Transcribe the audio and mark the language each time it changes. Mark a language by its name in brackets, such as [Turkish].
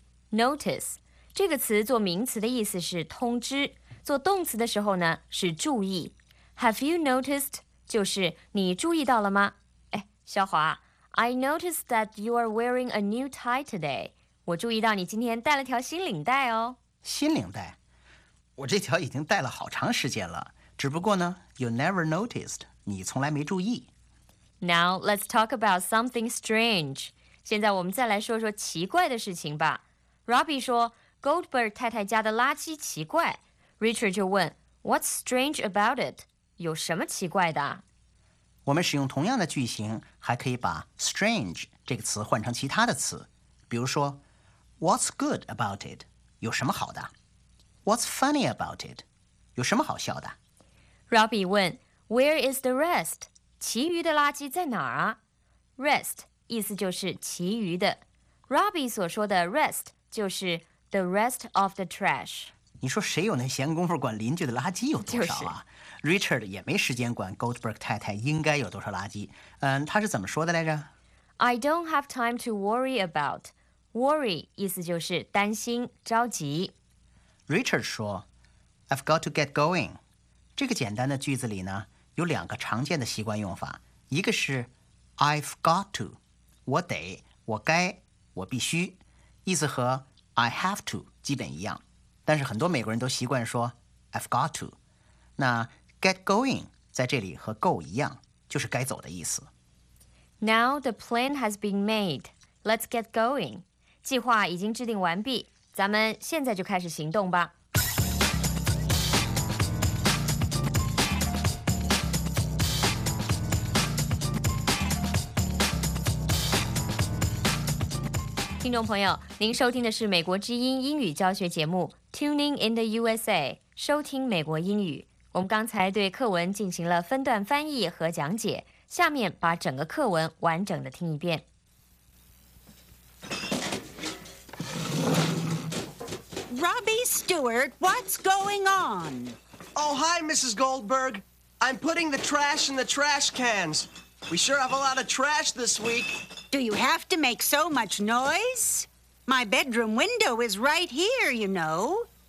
[Chinese] Notice 这个词做名词的意思是通知，做动词的时候呢是注意。 [English] Have you noticed [Chinese] 就是你注意到了吗？ [English] 哎，肖华 ，I noticed that you are wearing a new tie today。 [Chinese] 我注意到你今天戴了条新领带哦。新领带？我这条已经戴了好长时间了，只不过呢 ， [English] you never noticed， [Chinese] 你从来没注意。 [English] Now let's talk about something strange。 [Chinese] 现在我们再来说说奇怪的事情吧。Robbie 说 ,Goldberg 太太家的垃圾奇怪。 Richard 就问 , [English] What's strange about it? [Chinese] 有什么奇怪的？我们使用同样的句型还可以把 strange 这个词换成其他的词。比如说 , [English] What's good about it? [Chinese] 有什么好的 ? [English] What's funny about it? [Chinese] 有什么好笑的 [English] ?Robbie [Chinese] 问 [English] ,Where is the rest? [Chinese] 其余的垃圾在哪儿啊 ?Rest, 意思就是其余的。 Robbie 所说的 rest, 就是 [English] the rest of the trash。 [Chinese] 你说谁有那闲工夫管邻居的垃圾有多少啊、就是、？Richard 也没时间管 Goldberg 太太应该有多少垃圾。嗯，他是怎么说的来着 [English] ？I don't have time to worry about. [Chinese] Worry 意思就是担心、着急。 [English] Richard [Chinese] 说 [English] ，I've got to get going。 [Chinese] 这个简单的句子里呢，有两个常见的习惯用法，一个是 [English] I've got to， [Chinese] 我得，我该，我必须。意思和 [English] I have to [Chinese] 基本一样，但是很多美国人都习惯说 [English] I've got to。 [Chinese] 那 get going 在这里和 go 一样，就是该走的意思。 [English] Now the plan has been made. Let's get going. [Chinese] 计划已经制定完毕，咱们现在就开始行动吧。听众朋友，您收听的是美国之音英语教学节目 Tuning in the USA， 收听美国英语。我们刚才对课文进行了分段翻译和讲解，下面把整个课文完整的听一遍。 [English] Robbie Stewart, what's going on? Oh, hi, Mrs. Goldberg. I'm putting the trash in the trash cans. We sure have a lot of trash this week. Do you have to make so much noise? My bedroom window is right here, you know.